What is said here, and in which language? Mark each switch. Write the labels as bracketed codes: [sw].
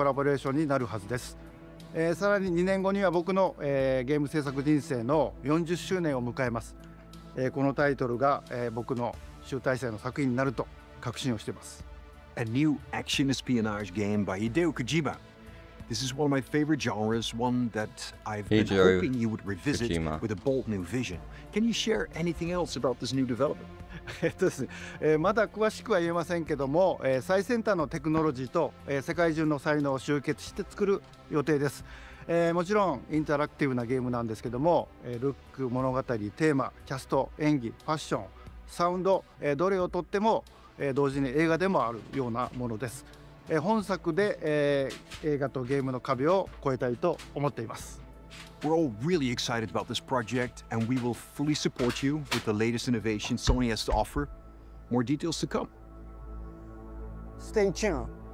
[ja] 新世代のアクションエスピオナージゲームです。準備を始めてますけども、デストランディング2の後に本格的に小島プロダクションで制作にかかります。ソニーさんとはほぼ30年にわたりエスピオナージものを一緒に育ててきたという強い経験もあります。またソニーさんはゲームだけではなく音楽も映画もされています。間違いなく強力なコラボレーションになるはずです。さらに2年後には僕の、ゲーム制作人生の40周年を迎えます。このタイトルが、僕の集大成の作品になると確信をしています。 [en] A new action espionage game by Hideo Kojima. This is one of my favorite genres, one that I've been hoping you would revisit with a bold new vision. Can you share anything else about this new development? [ja] まだ詳しくは言えませんけども、最先端のテクノロジーと、世界中の才能を集結して作る予定です、もちろんインタラクティブなゲームなんですけども、ルック、物語、テーマ、キャスト、演技、ファッション、サウンド、どれをとっても、同時に映画でもあるようなものです、本作で、映画とゲームの壁を越えたいと思っています。 [en] We're all really excited about this project, and we will fully support you with the latest innovation Sony has to offer. More details to come. Stay tuned.